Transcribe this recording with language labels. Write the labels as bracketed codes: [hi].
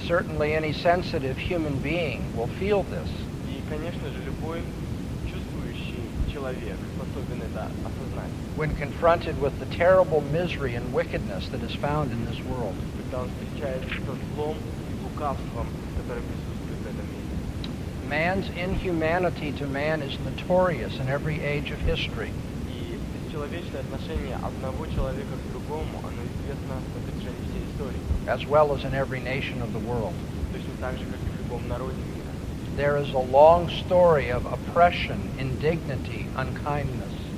[en] Certainly any sensitive human being will feel this. [ru] И, конечно же, любой чувствующий человек способен это осознать. [en] When confronted with the terrible misery and wickedness that is found in this world. [ru] Когда он встречается со злом и лукавством, которое присутствует. [en] Man's inhumanity to man is notorious in every age of history. [ru] межчеловечное отношение одного человека к другому, оно известно на протяжении всей истории. [en] As well as in every nation of the world. [ru] Точно так же, как и в любом народе мира. [en] There is a long story of oppression, indignity, unkindness.